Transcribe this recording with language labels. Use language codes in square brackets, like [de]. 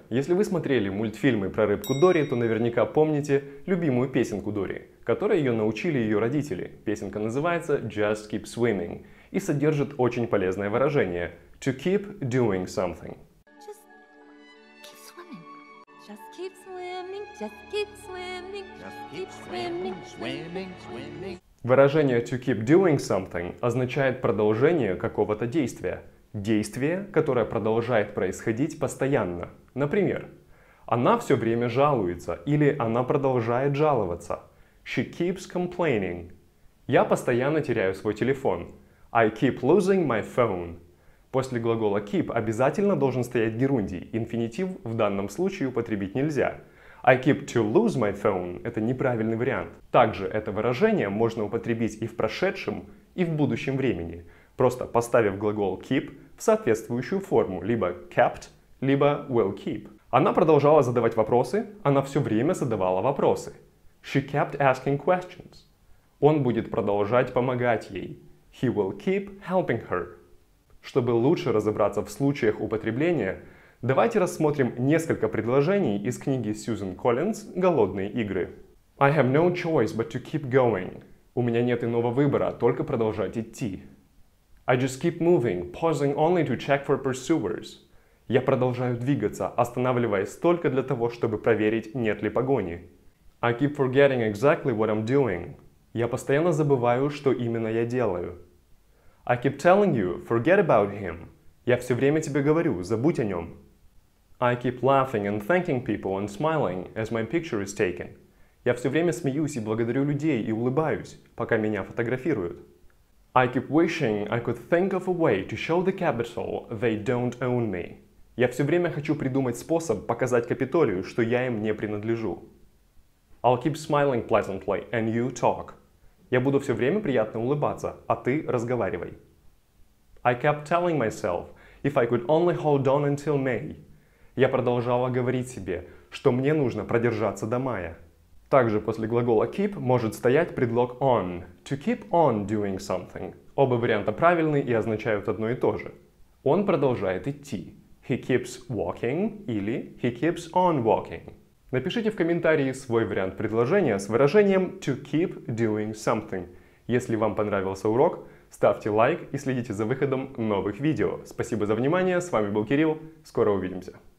[ru] Если вы смотрели мультфильмы про рыбку Дори, то наверняка помните любимую песенку Дори, которой ее научили ее родители. Песенка называется «Just Keep Swimming» и содержит очень полезное выражение [en] «To keep doing something». Just keep swimming, just keep swimming, just keep swimming, swimming, swimming. [ru] Выражение [en] «to keep doing something» [ru] означает продолжение какого-то действия. Действие, которое продолжает происходить постоянно. Например, она все время жалуется или она продолжает жаловаться. [en] She keeps complaining. [ru] Я постоянно теряю свой телефон. [en] I keep losing my phone. [ru] После глагола keep обязательно должен стоять герундий. Инфинитив в данном случае употребить нельзя. [en] I keep to lose my phone – это неправильный вариант. [ru] Также это выражение можно употребить и в прошедшем, и в будущем времени, просто поставив глагол keep в соответствующую форму, либо kept, либо will keep. Она продолжала задавать вопросы, она все время задавала вопросы. [en] She kept asking questions. [ru] Он будет продолжать помогать ей. [en] He will keep helping her. [ru] Чтобы лучше разобраться в случаях употребления, давайте рассмотрим несколько предложений из книги Сьюзен Коллинз «Голодные игры». [en] I have no choice but to keep going. [ru] У меня нет иного выбора, только продолжать идти. [en] I just keep moving, pausing only to check for pursuers. [ru] Я продолжаю двигаться, останавливаясь только для того, чтобы проверить, нет ли погони. [en] I keep forgetting exactly what I'm doing. [ru] Я постоянно забываю, что именно я делаю. [en] I keep telling you, forget about him. [ru] Я все время тебе говорю, забудь о нем. [en] I keep laughing and thanking people and smiling as my picture is taken. [ru] Я все время смеюсь и благодарю людей и улыбаюсь, пока меня фотографируют. [en] I keep wishing I could think of a way to show the Capitol they don't own me. [ru] Я все время хочу придумать способ показать Капитолию, что я им не принадлежу. [en] I'll keep smiling pleasantly and you talk. [ru] Я буду все время приятно улыбаться, а ты разговаривай. [en] I kept telling myself, if I could only hold on until May. [ru] Я продолжала говорить себе, что мне нужно продержаться до мая. Также после глагола keep может стоять предлог on. [en] To keep on doing something. [ru] Оба варианта правильны и означают одно и то же. Он продолжает идти. [en] He keeps walking или he keeps on walking. [ru] Напишите в комментарии свой вариант предложения с выражением [en] to keep doing something. [ru] Если вам понравился урок, ставьте лайк и следите за выходом новых видео. Спасибо за внимание, с вами был Кирилл, скоро увидимся.